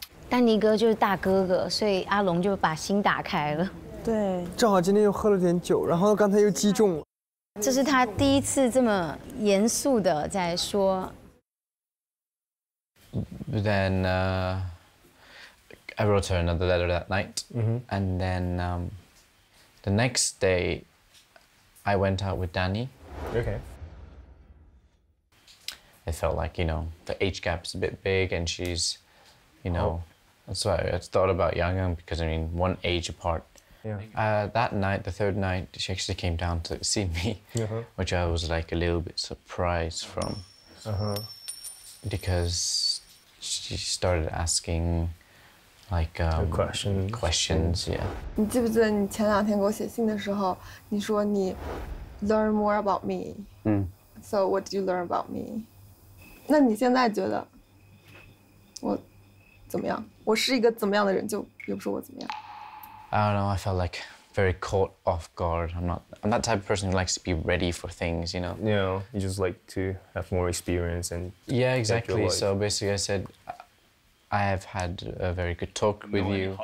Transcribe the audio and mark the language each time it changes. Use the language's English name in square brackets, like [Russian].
[Chinese] 丹尼哥就是大哥哥，所以阿龙就把心打开了。对，正好今天又喝了点酒，然后刚才又击中了。这是他第一次这么严肃的在说。 [English] Then, I wrote her another letter that night. Mm-hmm. And then, the next day, I went out with Danny. Okay. I felt like, you know, the age gap is a bit big and she's, you know,that's why I thought about Yang because, I mean, one age apart. Yeah. That night, the third night, she actually came down to see me, which I was like a little bit surprised from. Because she started asking, like, questions, yeah. [Chinese] 你记不记得你前两天给我写信的时候你说你 [English] learn more about me. So what did you learn about me? [Chinese] 那你现在觉得我怎么样？我是一个怎么样的人？就比如说我怎么样 [English] ？I don't know. I felt like very caught off guard. I'm that type of person who likes to be ready for things. You know. Yeah. You just like to have more experience and. Yeah, exactly. So basically, I said I have had a very good talk with you.